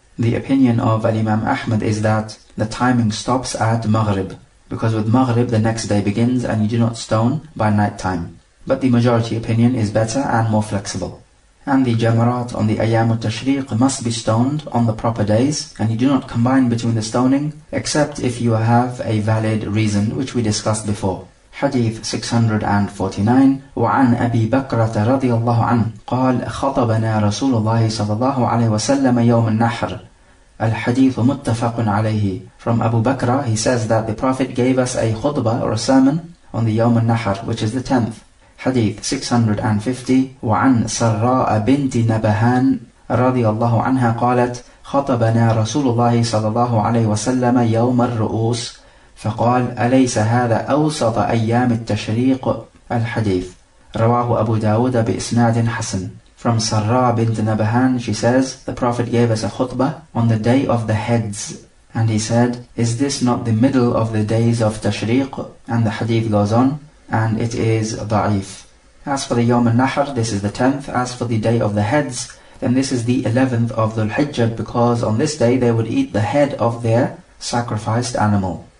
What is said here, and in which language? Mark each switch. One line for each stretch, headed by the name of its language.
English: The opinion of Al-Imam Ahmad is that the timing stops at Maghrib, because with Maghrib the next day begins and you do not stone by night time. But the majority opinion is better and more flexible. And the Jamarat on the Ayyam al-Tashriq must be stoned on the proper days, and you do not combine between the stoning except if you have a valid reason, which we discussed before. Hadith 649.
Arabic: وعن أبي بكرة رضي الله عنه قال خطبنا رسول الله صلى الله عليه وسلم يوم النحر. الحديث متفق عليه.
English: From Abu Bakr, he says that the Prophet gave us a khutbah or a sermon on the Yawm al-Nahr, which is the 10th. Hadith 650.
Arabic: وعن سراء بنت نبهان رضي الله عنها قالت خطبنا رسول الله صلى الله عليه وسلم يوم الرؤوس فقال أليس هذا أوسط أيام التشريق. الحديث رواه أبو داود بإسناد حسن.
English: From سراء بنت نبهان, she says, the Prophet gave us a khutbah on the day of the heads. And he said, is this not the middle of the days of Tashriq? And the hadith goes on, and it is da'if. As for the Yawm al-Nahr, this is the 10th. As for the day of the heads, then this is the 11th of Dhul-Hijjah, because on this day they would eat the head of their sacrificed animal.